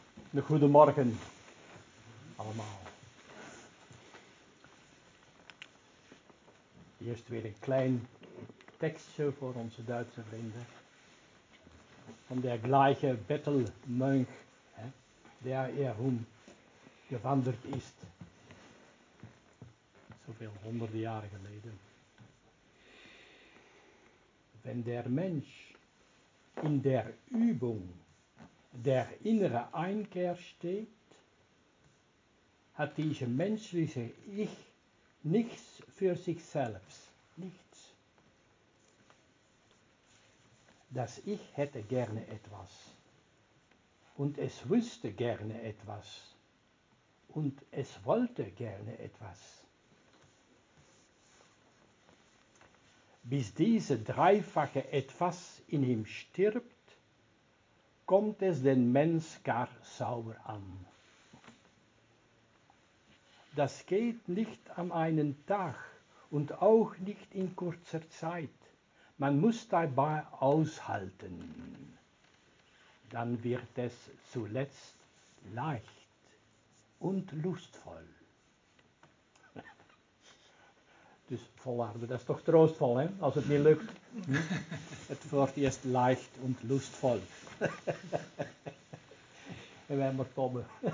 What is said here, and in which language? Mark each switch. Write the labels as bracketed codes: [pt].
[nl] Een goede morgen allemaal. Eerst weer een klein tekstje voor onze Duitse vrienden. [de] Van der gleiche Bettelmönch, der er hum gewandert ist. [nl] Zoveel honderden jaren geleden. [de] Wenn der Mensch in der Übung der innere Einkehr steht, hat diese menschliche Ich nichts für sich selbst, nichts. Das Ich hätte gerne etwas und es wüsste gerne etwas und es wollte gerne etwas. Bis diese dreifache Etwas in ihm stirbt, kommt es den Mensch gar sauer an. Das geht nicht an einen Tag und auch nicht in kurzer Zeit. Man muss dabei aushalten. Dann wird es zuletzt leicht und lustvoll. [nl] Dus volwaarde, dat is toch troostvol, hè? Als het niet lukt. Het wordt eerst [de] leicht und lustvoll. [nl] En wij maar tobben.